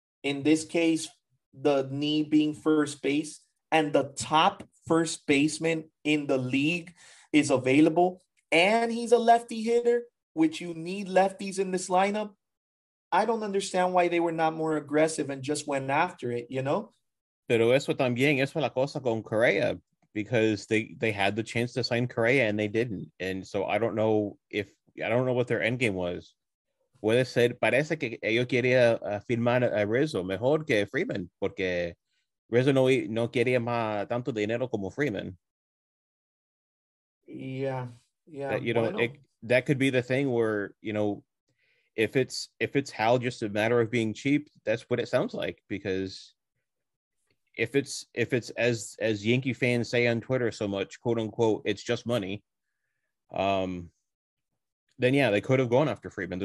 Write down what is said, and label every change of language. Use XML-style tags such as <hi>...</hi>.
<en>in this case, the need being first base, and the top first baseman in the league is available, and he's a lefty hitter, which you need lefties in this lineup, I don't understand why they were not more aggressive and just went after it, you know?</en> <es>Pero eso también, eso es la cosa con Correa.</es> <en>Because they had the chance to sign Correa and they didn't. And so I don't know what their end game was.</en> <es>Puede ser, parece que ellos querían firmar a Rizzo mejor que Freeman, porque Rizzo no quería más tanto dinero como Freeman.</es> <en>Yeah. That, you know, bueno. That could be the thing where, you know, if it's Hal just a matter of being cheap, that's what it sounds like, because if it's as Yankee fans say on Twitter so much, quote unquote, it's just money, then yeah, they could have gone after Freeman.</en>